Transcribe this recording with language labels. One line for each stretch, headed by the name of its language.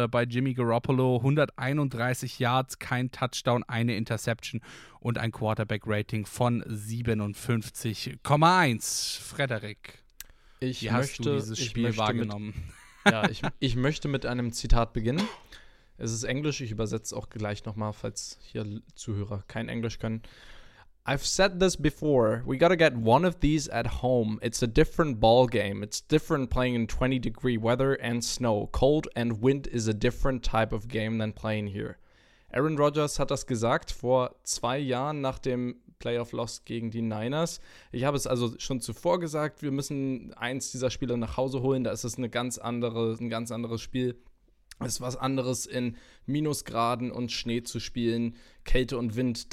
German: Bei Jimmy Garoppolo 131 Yards, kein Touchdown, eine Interception und ein Quarterback-Rating von 57,1. Frederik, wie hast du dieses Spiel wahrgenommen? Ich möchte mit einem Zitat beginnen. Es ist Englisch, ich übersetze auch gleich nochmal, falls hier Zuhörer kein Englisch können.
English: I've said this before, we gotta get one of these at home. It's a different ball game. It's different playing in 20 degree weather and snow. Cold and wind is a different type of game than playing here.
German: Aaron Rodgers hat das gesagt vor 2 Jahren nach dem Playoff Loss gegen die Niners. Ich habe es also schon zuvor gesagt, wir müssen eins dieser Spiele nach Hause holen. Da ist es ein ganz anderes Spiel. Es ist was anderes, in Minusgraden und Schnee zu spielen, Kälte und Wind.